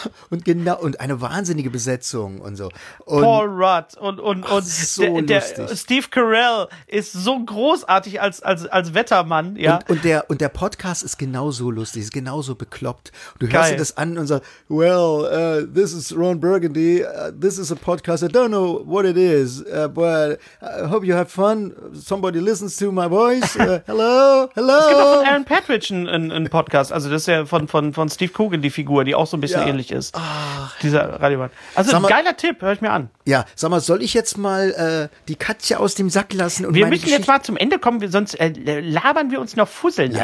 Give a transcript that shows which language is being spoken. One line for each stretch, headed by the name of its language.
German: Und eine wahnsinnige Besetzung und so. Und Paul Rudd und so der Steve Carell ist so großartig als Wettermann, ja. Und der Podcast ist genauso lustig, ist genauso bekloppt. Du hörst dir das an und sagst,
English: well, this is Ron Burgundy, this is a podcast, I don't know what it is, but I hope you have fun, somebody listens to my voice, hello.
German: Es gibt auch von Aaron Patridge einen Podcast. Also das ist ja von Steve Coogan die Figur, die auch so ein bisschen ähnlich ist. Ach, dieser Radiomann. Also ein geiler Tipp, hör ich mir an. Ja, sag mal, soll ich jetzt mal die Katze aus dem Sack lassen? Und wir müssen jetzt mal zum Ende kommen, sonst labern wir uns noch Fusseln.